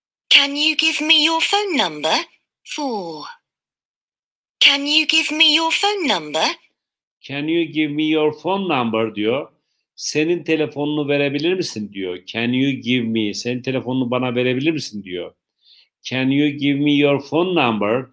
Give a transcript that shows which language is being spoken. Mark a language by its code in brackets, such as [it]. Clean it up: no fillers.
[en] Can you give me your phone number? Four. Can you give me your phone number? Can you give me your phone number [tr] diyor. Senin telefonunu verebilir misin diyor. [en] Can you give me? [tr] Senin telefonunu bana verebilir misin diyor. [en] Can you give me your phone number?